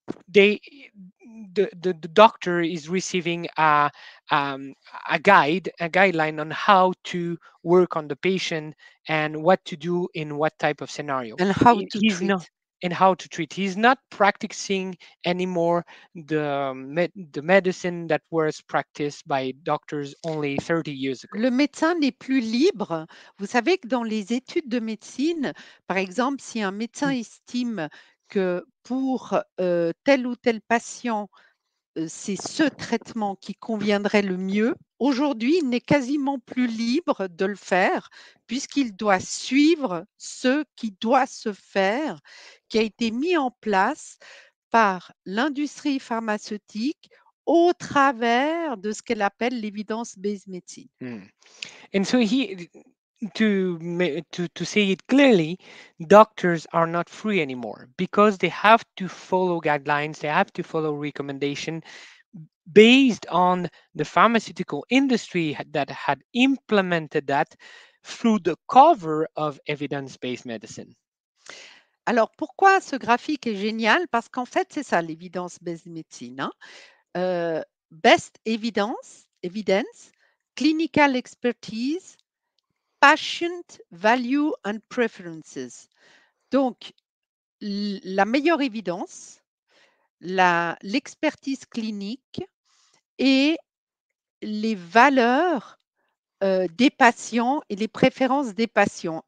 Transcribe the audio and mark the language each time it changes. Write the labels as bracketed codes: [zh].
[en] the doctor is receiving a guideline on how to work on the patient and what to do in what type of scenario and how to treat. And how to treat. He's not practicing anymore the medicine that was practiced by doctors only 30 years ago. [fr] Le médecin n'est plus libre. Vous savez que dans les études de médecine, par exemple, si un médecin estime que pour tel ou tel patient, c'est ce traitement qui conviendrait le mieux, aujourd'hui, il n'est quasiment plus libre de le faire puisqu'il doit suivre ce qui doit se faire, qui a été mis en place par l'industrie pharmaceutique au travers de ce qu'elle appelle l'evidence-based medicine. And so he, to say it clearly, doctors are not free anymore because they have to follow guidelines, they have to follow recommendations based on the pharmaceutical industry that had implemented that through the cover of evidence-based medicine. Alors, pourquoi ce graphique est génial? Parce qu'en fait, c'est ça, l'evidence-based medicine. [en] Hein? Best evidence, clinical expertise, patient value and preferences. Donc, [fr] la meilleure évidence, l'expertise clinique et les valeurs des patients et les préférences des patients.